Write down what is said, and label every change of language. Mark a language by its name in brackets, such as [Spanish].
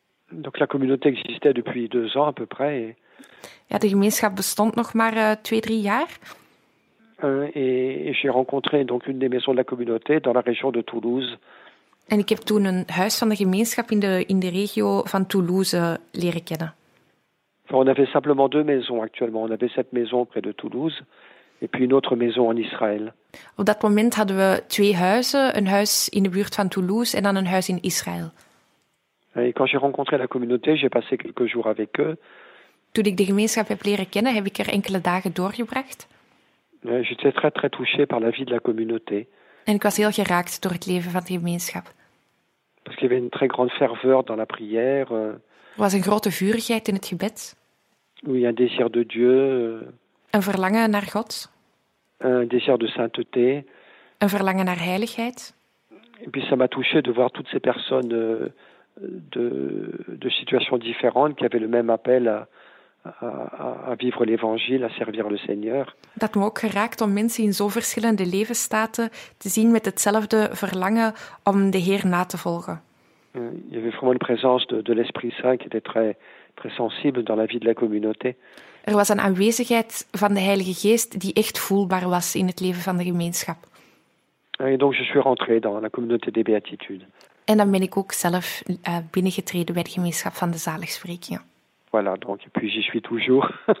[French] Donc, la communauté existait depuis 2 ans à peu près. [Dutch] Ja, de gemeenschap bestond nog maar 2, 3 jaar. [French] Et j'ai rencontré donc une des maisons de la communauté dans la région de Toulouse. [Dutch] En ik heb toen een huis van de gemeenschap in de regio van Toulouse leren kennen. [French] Enfin, on avait simplement 2 maisons actuellement. On avait cette maison près de Toulouse et puis une autre maison en Israël. [Dutch] Op dat moment hadden we 2 huizen, een huis in de buurt van Toulouse en dan een huis in Israël. [French] Et quand j'ai rencontré la communauté, j'ai passé quelques jours avec eux. [Dutch] Toen ik de gemeenschap heb leren kennen, heb ik er enkele dagen doorgebracht. [French] J'étais très très touché par la vie de la communauté. [Dutch] En ik was heel geraakt door het leven van de gemeenschap. [French] Parce qu'il y avait une très grande ferveur dans la prière. [Dutch] Er was een grote vurigheid in het gebed. [French] Oui, un désir de Dieu. [Dutch] Een verlangen naar God. [French] Un désir de sainteté. [Dutch] Een verlangen naar heiligheid. [French] Et puis ça m'a touché de voir toutes ces personnes de situations différentes qui avaient le même appel à vivre l'évangile, à servir le Seigneur. [Dutch] Dat me ook geraakt om mensen in zo verschillende levensstaten te zien met hetzelfde verlangen om de Heer na te volgen. [French] Il y avait vraiment une présence de l'Esprit Saint qui était très, très sensible dans la vie de la communauté. [Dutch] Er was een aanwezigheid van de Heilige Geest die echt voelbaar was in het leven van de gemeenschap. [French] Et donc je suis rentré dans la communauté des Béatitudes. [Dutch] En dan ben ik ook zelf binnengetreden bij de gemeenschap van de zaligsprekingen. [French] Voilà, donc et puis j'y suis toujours.